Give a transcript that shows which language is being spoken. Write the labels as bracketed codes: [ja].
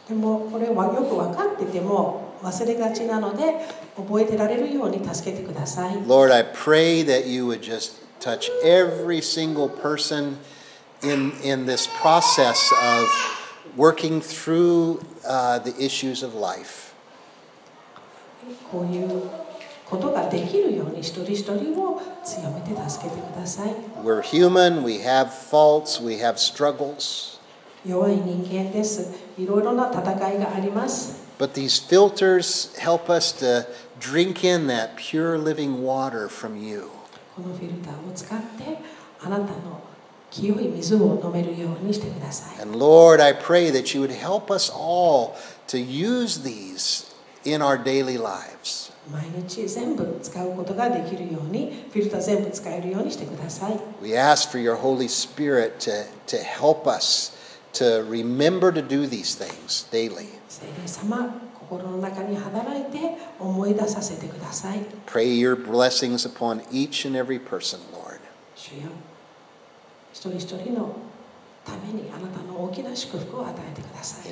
[ja] でもこれはよく分かってても忘れがちなので覚えてられるように助けてください。 [en] Lord, I pray that you would just touch every single person in this process of working through the issues of life. [ja] こういうことができるように一人一人を強めて助けてください。 [en] We're human, we have faults, we have struggles. [ja] 弱い人間です。いろいろな戦いがあります。 [en] But these filters help us to drink in that pure living water from you. [ja] このフィルターを使ってあなたの清い水を飲めるようにしてください。 [en] And Lord, I pray that you would help us all to use these. In our daily lives. [ja] 毎日全部使うことができるように、フィルター全部使えるようにしてください。 [en] We ask for your Holy Spirit to help us to remember to do these things daily. [ja] 聖霊様、心の中に働いて思い出させてください。 [en] Pray your blessings upon each and every person, Lord. [ja] 主よ、一人一人のためにあなたの大きな祝福を与えてください。